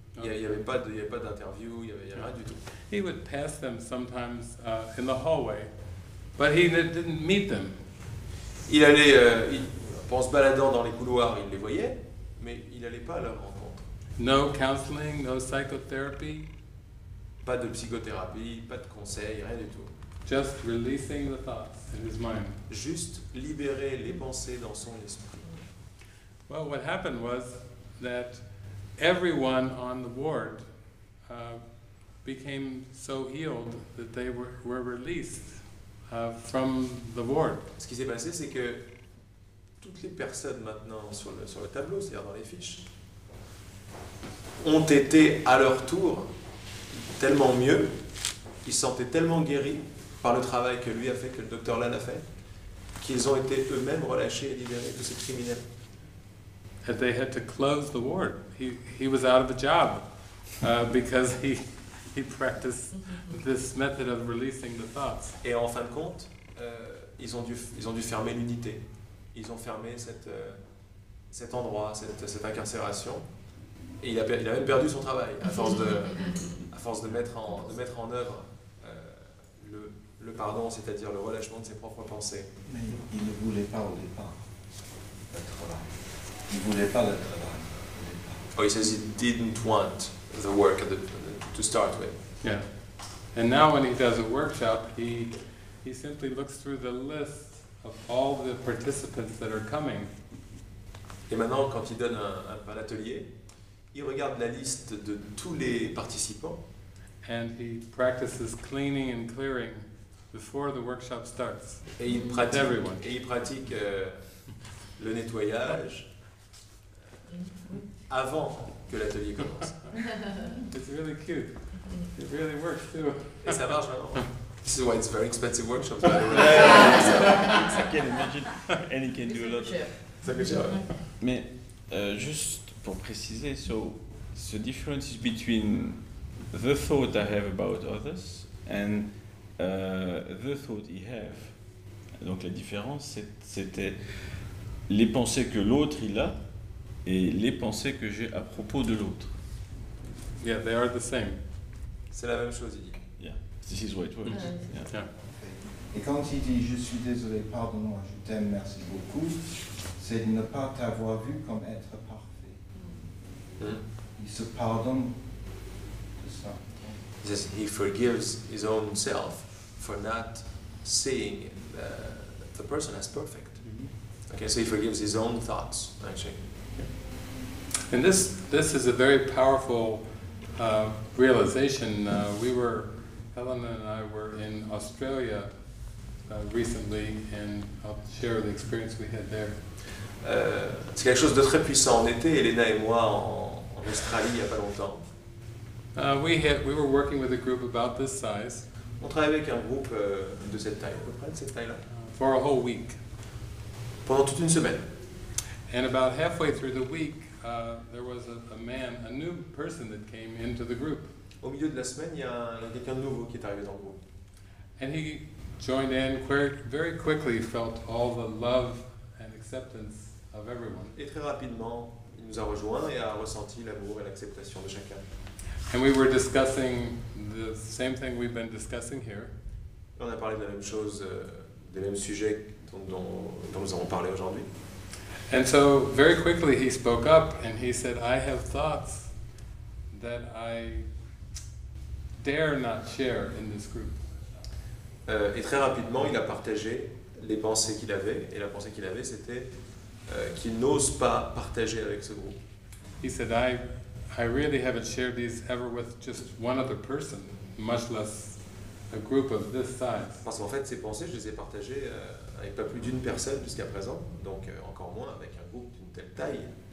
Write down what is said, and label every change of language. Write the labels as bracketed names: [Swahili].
[French] Il y avait pas d'interview, il y avait rien du tout. [English] He would pass them sometimes in the hallway, but he didn't meet them. [French] Il allait, en se baladant dans les couloirs, il les voyait, mais il allait pas à leur rencontre. [English] No counseling, no psychotherapy. [French] Pas de psychothérapie, pas de conseils, rien du tout. [English] Just releasing the thoughts in his mind. [French] Juste libérer les pensées dans son esprit. [English] Well, what happened was that everyone on the ward became so healed that they were released from the ward. [French] Ce qui s'est passé, c'est que toutes les personnes maintenant sur le tableau, c'est-à-dire dans les fiches, ont été à leur tour tellement mieux, ils se sentaient tellement guéris par le travail que lui a fait, que le docteur Lan a fait, qu'ils ont été eux-mêmes relâchés et libérés de ces criminels. [English] That they had to close the ward. He was out of a job because he practiced this method of releasing the thoughts. [French] Et en fin de compte, ils ont dû fermer l'unité. Ils ont fermé cet endroit, cette incarcération. Et il a même perdu son travail à force de mettre en œuvre le pardon, c'est-à-dire le relâchement de ses propres pensées. Mais il ne voulait pas au départ être là. Il ne voulait pas le travail. [English] Oh, he says he didn't want the work to start with. Yeah. And now when he does a workshop, he simply looks through the list of all the participants that are coming. [French] Et maintenant, quand il donne un atelier, il regarde la liste de tous les participants. [English] And he practices cleaning and clearing before the workshop starts. [French] Et il pratique, [English] everyone. [French] Et il pratique le nettoyage avant que l'atelier commence. [English] It's really cute. It really works too. [French] Et ça marche vraiment. [English] This is why it's very expensive workshop. I can imagine. And he can do a lot. [French] Ça coûte cher. Mais juste pour préciser, [English] so the difference is between the thought I have about others and the thought he have. [French] Donc la différence, c'était les pensées que l'autre il a et les pensées que j'ai à propos de l'autre. [English] Yeah, they are the same. [French] C'est la même chose, il dit. [English] Yeah, this is what it works. Yeah. [French] Et quand il dit je suis désolé, pardonne-moi, je t'aime, merci beaucoup, c'est de ne pas t'avoir vu comme être parfait. Il se pardonne. [English] He says he forgives his own self for not seeing the person as perfect. Mm-hmm. Okay, so he forgives his own thoughts, actually. And this is a very powerful realization. Helen and I were in Australia recently, and I'll share the experience we had there. [French] C'est quelque chose de très puissant. On était, Elena et moi, en Australie il n'y a pas longtemps. [English] We were working with a group about this size. [French] On travaillait avec un groupe de cette taille, à peu près de cette taille-là. [English] For a whole week. [French] Pendant toute une semaine. [English] And about halfway through the week, there was a man, a new person that came into the group. [French] Au milieu de la semaine, il y a quelqu'un de nouveau qui est arrivé dans le groupe. [English] And he joined in, very quickly felt all the love and acceptance of everyone. [French] Et très rapidement, il nous a rejoint et a ressenti l'amour et l'acceptation de chacun. [English] And we were discussing the same thing we've been discussing here. [French] On a parlé de la même chose, des mêmes sujets dont nous avons parlé aujourd'hui. [English] And so very quickly he spoke up and he said, I have thoughts that I dare not share in this group. [French] Et très rapidement, il a partagé les pensées qu'il avait, et la pensée qu'il avait, c'était qu'il n'ose pas partager avec ce groupe. [English] He said, I really haven't shared these ever with just one other person, much less a group of this size. [French] Parce qu'en fait, ces pensées, je les ai partagées avec pas plus d'une personne jusqu'à présent, donc encore moins avec un groupe d'une telle taille.